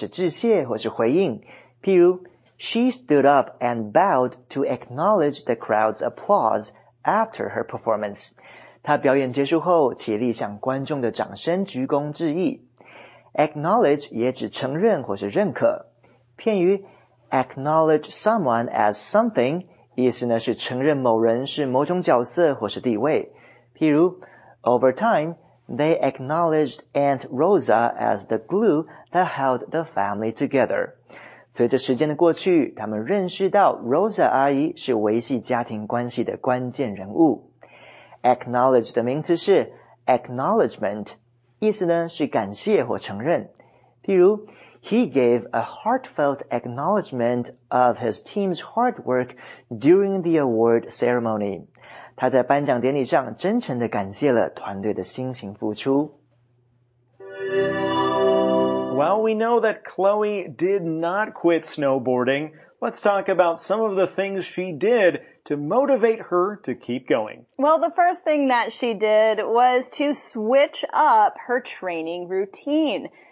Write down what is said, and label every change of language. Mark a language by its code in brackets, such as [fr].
[en] She stood up and bowed to acknowledge the crowd's applause after her performance. [zh] 她表演结束后起立向观众的掌声鞠躬致意。 Acknowledge 也指承认或是认可。片语 [en] acknowledge someone as something [zh] 意思呢是承认某人是某种角色或是地位。譬如 [en] over time, they acknowledged Aunt Rosa as the glue that held the family together. [zh] 随着时间的过去，他们认识到 Rosa 阿姨是维系家庭关系的关键人物。 Acknowledge 的名词是 acknowledgement， 意思呢是感谢或承认。譬如 [en] ，He gave a heartfelt acknowledgement of his team's hard work during the award ceremony。 [zh] 他在颁奖典礼上真诚地感谢了团队的辛勤付出。 [en] Well, we know that Chloe did not quit snowboarding. Let's talk about some of the things she did to motivate her to keep going. Well, the first thing that she did was to switch up her training routine.